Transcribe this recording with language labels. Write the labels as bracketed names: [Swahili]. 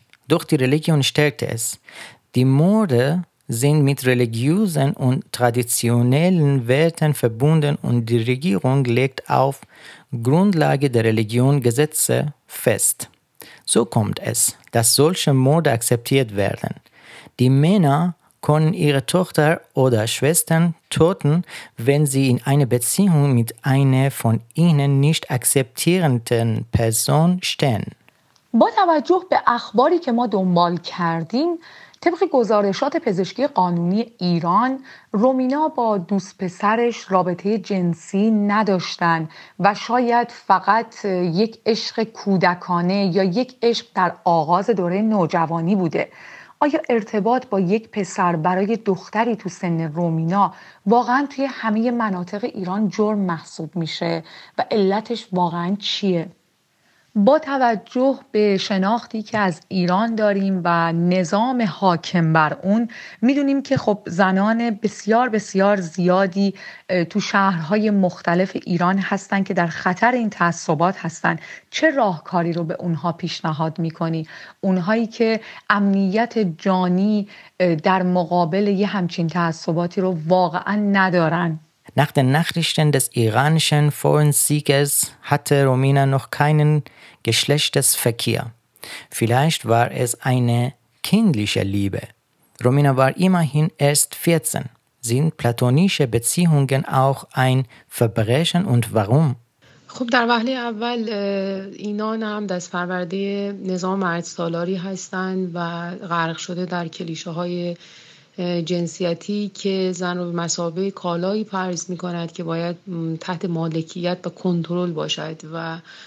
[German] Doch die Religion stärkte es. Die Morde sind mit religiösen und traditionellen Werten verbunden und die Regierung legt auf Grundlage der Religion Gesetze fest. So kommt es, dass solche Morde akzeptiert werden. Die Männer können ihre Tochter oder Schwestern töten, wenn sie in einer Beziehung mit einer von ihnen nicht akzeptierenden Person stehen. [Persian] با توجه به اخباری که ما دنبال کردیم، طبق گزارشات پزشکی قانونی ایران، رومینا با دوست پسرش رابطه جنسی نداشتن و شاید فقط یک عشق کودکانه یا یک عشق در آغاز دوره نوجوانی بوده. آیا ارتباط با یک پسر برای دختری تو سن رومینا واقعا توی همه مناطق ایران جرم محسوب میشه و علتش واقعا چیه؟ با توجه به شناختی که از ایران داریم و نظام حاکم بر اون، میدونیم که خب زنان بسیار بسیار زیادی تو شهرهای مختلف ایران هستن که در خطر این تعصبات هستن. چه راهکاری رو به اونها پیشنهاد میکنی؟ اونهایی که امنیت جانی در مقابل یه همچین تعصباتی رو واقعا ندارن؟ [German] Nach den Nachrichten des iranischen Foreign Seekers hatte Romina noch keinen Geschlechtsverkehr. Vielleicht war es eine kindliche Liebe. Romina war immerhin erst 14. Sind platonische Beziehungen auch ein Verbrechen und warum? [Persian] خب در وهله اول اینان هم دست فرورده نظام مردسالاری هستند و غرق شده در کلیشه های جنسیتی که زن رو به مثابه کالایی پرز می کند که باید تحت مالکیت و کنترل باشد و